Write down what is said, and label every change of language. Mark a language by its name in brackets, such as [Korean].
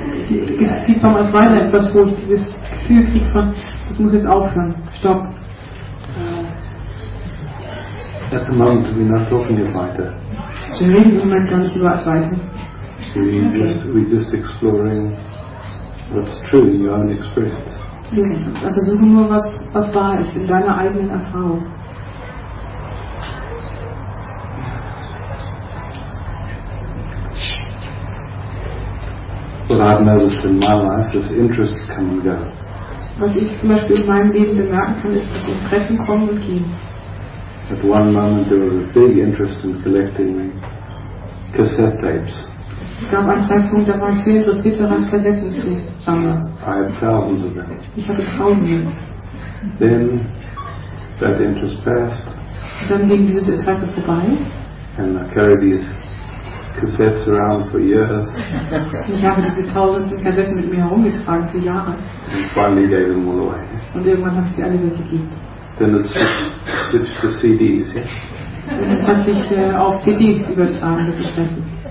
[German] Die Form Advaita, etwas, wo ich dieses Gefühl kriege von, das muss jetzt aufhören, stopp. [English] At the moment we're not talking about it. So maybe we might go into that writing. We're just exploring what's true in your own experience. Okay. [German] Also suche nur was wahr ist in deiner eigenen Erfahrung. [English] What I've noticed in my life is interests come and go. [German] Was ich zum Beispiel in meinem Leben bemerken kann, ist, dass Interessen kommen und gehen. [English] At one moment there was a big interest in collecting cassette tapes. [German] Es gab einen Zeitpunkt, da war ich sehr interessiert daran, Kassetten zu sammeln. [English] I had thousands of them. [German] Ich hatte Tausende. [English] Then that interest passed. [German] Und dann ging dieses Interesse vorbei. [English] And I carried these cassettes around for years. [German] Ich habe diese tausenden Kassetten mit mir herumgetragen für Jahre. [English] And finally gave them all away. [German] Und irgendwann habe ich sie alle weggegeben. [English] Then it switched to CDs, yeah? [German] Und es hat sich auf CDs übertragen, das Interesse.